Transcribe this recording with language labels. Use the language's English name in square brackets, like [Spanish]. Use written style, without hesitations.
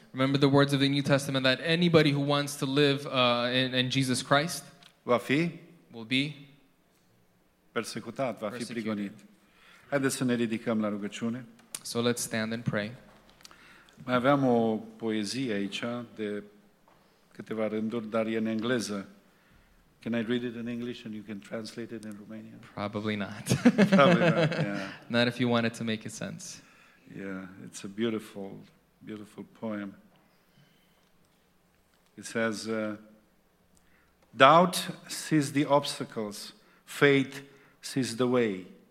[English] Remember the words of the New Testament that anybody who wants to live in Jesus Christ [Romanian] va fi [English] will be [Romanian] persecutat, va fi prigonit. Haideți să ne ridicăm la rugăciune. [English] So let's stand and pray. [Romanian] Mai aveam o poezie aici de câteva rânduri, dar e în engleză. [English] Can I read it in English and you can translate it in Romanian? Probably not. Probably not, yeah. Not if you want it to make sense. Yeah, it's a beautiful, beautiful poem. It says, doubt sees the obstacles, faith sees the way.